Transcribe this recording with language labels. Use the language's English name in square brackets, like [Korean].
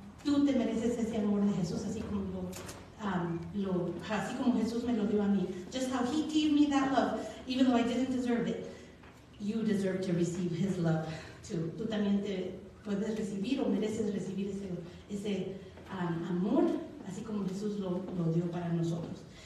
[Spanish] Tú te mereces ese amor de Jesús así como Jesús me lo dio a mí. [English] Just how he gave me that love, even though I didn't deserve it. You deserve to receive his love too. [Spanish] Tú también te puedes recibir o mereces recibir ese amor, así como Jesús lo dio para nosotros.